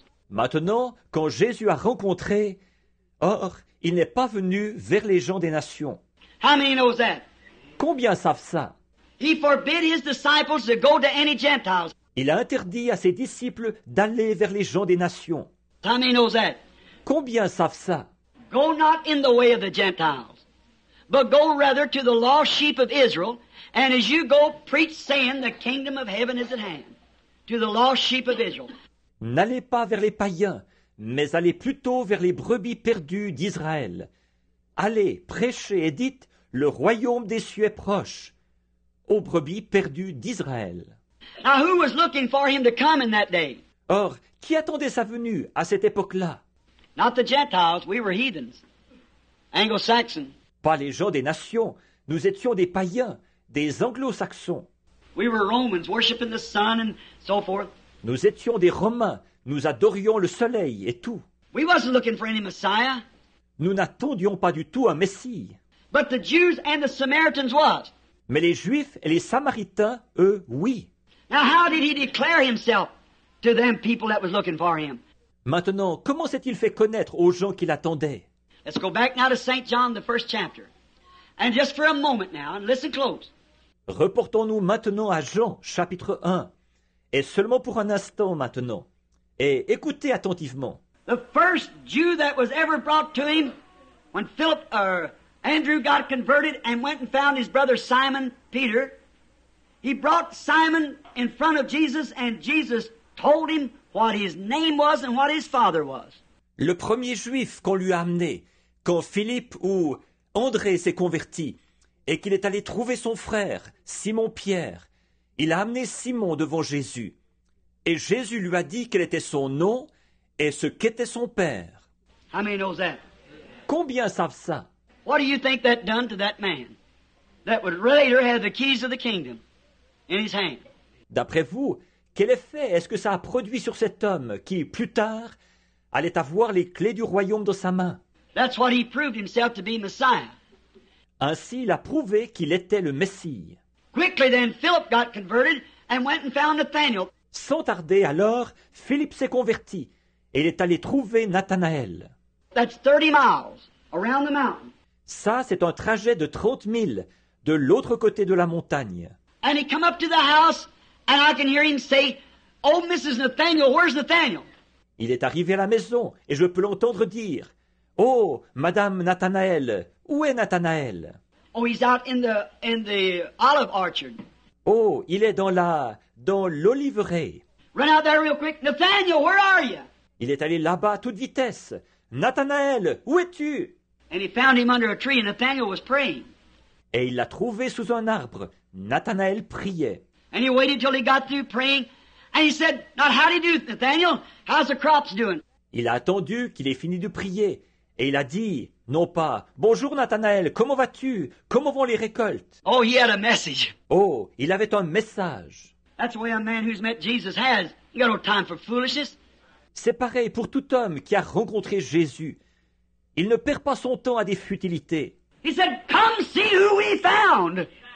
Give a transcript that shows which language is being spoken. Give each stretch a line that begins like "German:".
French: Maintenant, quand Jésus a rencontré, or, il n'est pas venu vers les gens des nations.
English: How many knows that?
French: Combien savent ça?
English: He forbid his disciples to go to any Gentiles.
French: Il a interdit à ses disciples d'aller vers les gens des nations.
English: Tommy knows that.
French: Combien savent ça?
English: Go not in the way of the Gentiles, but go rather to the lost sheep of Israel, and as you go, preach saying, the kingdom of heaven is at hand, to the lost sheep of Israel.
French: N'allez pas vers les païens, mais allez plutôt vers les brebis perdues d'Israël. Allez, prêchez et dites, le royaume des cieux est proche, aux brebis perdues d'Israël.
English: Now, who was looking for him to come in that day?
French: Or, qui attendait sa venue à cette époque-là?
English: Not the Gentiles, we were heathens, Anglo-Saxon.
French: Pas les gens des nations, nous étions des païens, des Anglo-Saxons.
English: We were Romans, worshiping the sun and so forth.
French: Nous étions des Romains, nous adorions le soleil et tout.
English: We wasn't looking for any Messiah.
French: Nous n'attendions pas du tout un Messie.
English: But the Jews and the Samaritans was.
French: Mais les Juifs et les Samaritains, eux, oui.
English: Now, how did he declare himself to them people that was looking for him?
French: Maintenant, comment s'est-il fait connaître aux gens qui l'attendaient?
English: Let's go back now to St. John, the first chapter. And just for a moment now, and listen close.
French: Reportons-nous maintenant à Jean, chapitre 1. Et seulement pour un instant maintenant. Et écoutez attentivement.
English: The first Jew that was ever brought to him, when Philip or Andrew got converted and went and found his brother Simon Peter, he brought Simon in front of Jesus and Jesus told him what his name was and what his father was.
French: Le premier juif qu'on lui a amené, quand Philippe ou André s'est converti et qu'il est allé trouver son frère, Simon Pierre, il a amené Simon devant Jésus. Et Jésus lui a dit quel était son nom et ce qu'était son père.
English: How many knows that?
French: Combien savent ça?
English: What do you think that done to that man that would later have the keys of the kingdom? In his hand.
French: D'après vous, quel effet est-ce que ça a produit sur cet homme qui, plus tard, allait avoir les clés du royaume dans sa main?
English: That's what he proved himself to be Messiah.
French: Ainsi, il a prouvé qu'il était le Messie.
English: Quickly then, Philip got converted and went and found Nathanael.
French: Sans tarder, alors, Philippe s'est converti et il est allé trouver Nathanaël.
English: That's 30 miles around the mountain.
French: Ça, c'est un trajet de 30 milles de l'autre côté de la montagne.
English: And he come up to the house, and I can hear him say, "Oh, Mrs. Nathanael, where's Nathanael?"
French: Il est arrivé à la maison, et je peux l'entendre dire, "Oh, Madame Nathanael, où est Nathanael?"
English: Oh, he's out in the olive orchard.
French: Oh, il est dans l'oliveraie.
English: Run out there real quick, Nathanael, where are you?
French: Il est allé là-bas à toute vitesse. Nathanael, où es-tu?
English: And he found him under a tree, and Nathanael was praying.
French: Et il l'a trouvé sous un arbre. Nathanaël priait.
English: And he waited till he got through praying. And he said, now how do you do, Nathaniel? How's the crops doing?
French: Il a attendu qu'il ait fini de prier. Et il a dit, non pas, bonjour Nathanaël, comment vas-tu? Comment vont les récoltes?
English: Oh, he had a message.
French: Oh, il avait un message.
English: That's the way a man who's met Jesus has. You got no time for foolishness.
French: C'est pareil pour tout homme qui a rencontré Jésus. Il ne perd pas son temps à des futilités.
English: He said, come see who we found.